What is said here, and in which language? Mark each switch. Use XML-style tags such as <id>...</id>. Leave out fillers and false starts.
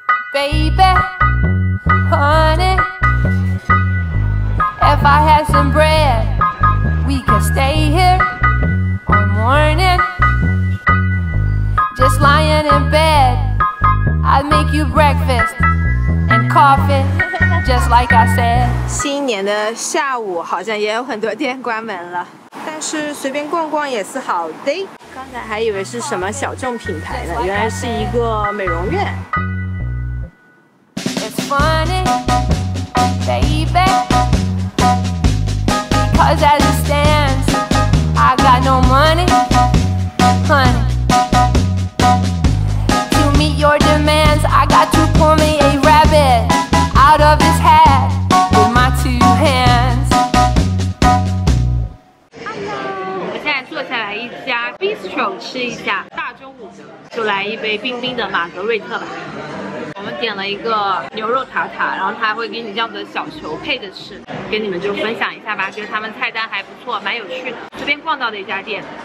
<en>Baby, honey, if I had some bread, we could stay here all morning. Just lying in bed, I'd make you breakfast and coffee. Just like I said.</en> <zh>新年的下午好像也有很多店关门了，但是随便逛逛也是好的。刚才还以为是什么小众品牌呢，原来是一个美容院。</zh> <en>It's funny, baby, because as it stands, I got no money, honey. To meet your demands, I got to pull me a rabbit. Out of his hat with my two hands. Hello.</en> <zh>我现在坐下来一家 bistro 吃一下，大中午的就来一杯冰冰的玛格瑞特吧。我们点了一个牛肉塔塔，然后他会给你这样的小球配着吃，跟你们就分享一下吧。觉得他们菜单还不错，蛮有趣的，随便逛到的一家店。</zh>